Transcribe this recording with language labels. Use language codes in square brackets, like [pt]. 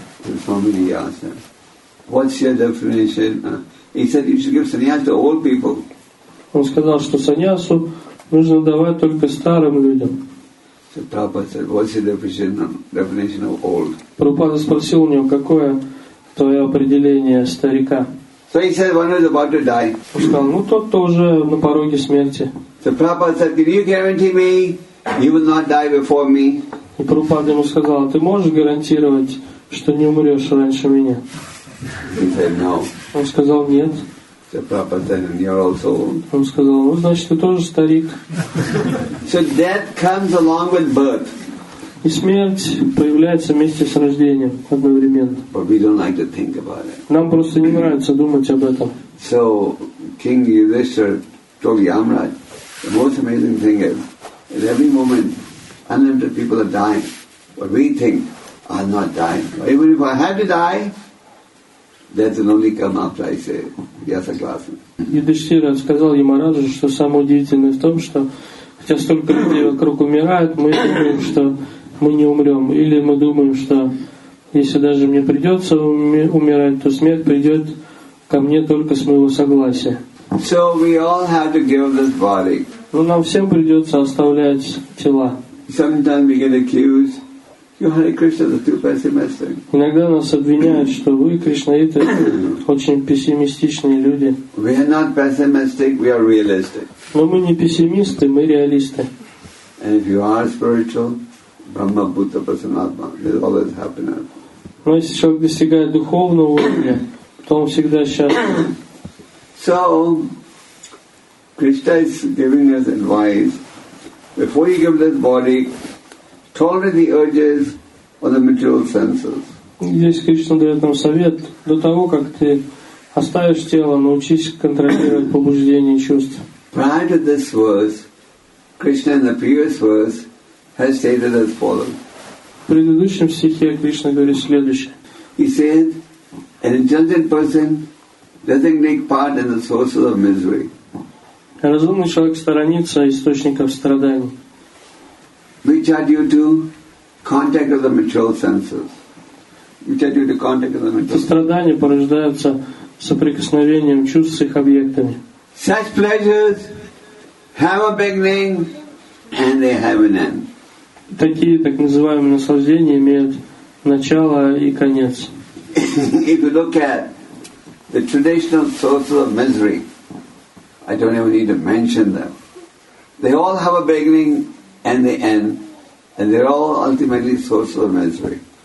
[en] And Swamiji asked him, what's your definition? He said, you should give sannyas to old people. [ru] Он сказал, что саньясу нужно давать только старым людям. [en] So Prabhupada said, what's your definition of old? [ru] Прабхупада спросил у него, какое твое определение старика? [en] So he said, one is about to die. [ru] Он сказал, ну тот уже на пороге смерти. [en] So Prabhupada said, can you guarantee me you will not die before me? [ru] И Прабхупада ему сказал, ты можешь гарантировать, что не умрешь раньше меня? [en] He said, no. [ru] Он сказал, нет. [en] So Prabhupada said, and you're also old. [ru] Он сказал, ну, значит, ты тоже старик. [en] So death comes along with birth. [ru] И смерть появляется вместе с рождением одновременно. [en] But we don't like to think about it. [ru] Нам просто не нравится думать об этом. [en] So King Yudhishthira told Yamraj, the most amazing thing is, at every moment, unlimited people are dying. But we think, I'm not dying. Even if I had to die, death will only come after I say, yes, I'm glad. [ru] Yudhishthira сказал Ямараджу, что самое удивительное в том, что хотя столько людей вокруг умирают, мы думаем, что мы не умрем. Или мы думаем, что если даже мне придется умирать, то смерть придет ко мне только с моего согласия. [en] So we all have to give this body. [ru] Но нам всем придется оставлять тела. [en] Sometimes we get accused, you Hare Krishna, the too pessimistic. [ru] Иногда нас обвиняют, что вы, кришнаиты, очень пессимистичные люди. [en] We are not pessimistic, we are realistic. [ru] Но мы не пессимисты, мы реалисты. [en] And if you are spiritual, Brahma, Buddha, Prasanatma. There's always happiness. [ru] Но если человек достигает духовного уровня, то он всегда счастлив. [en] So, Krishna is giving us advice. Before you give this body, tolerate the urges of the material senses. [ru] Здесь Кришна дает нам совет. До того, как ты оставишь тело, научись контролировать побуждения и чувства. [en] Prior to this verse, Krishna in the previous verse has stated as follows. [ru] В предыдущем стихе Кришна говорит следующее. [en] He said, an intelligent person doesn't take part in the sources of misery. [ru] Разумный человек сторонится источников страданий. [en] Which are due to contact of the material senses. [ru] Эти страдания порождаются соприкосновением чувств с их объектами. [en] Such pleasures have a beginning and they have an end. [ru] Такие так называемые наслаждения имеют начало и конец. [en] If you look at the traditional sources of misery, I don't even need to mention them. They all have a beginning and they end, and they're all ultimately sources of misery.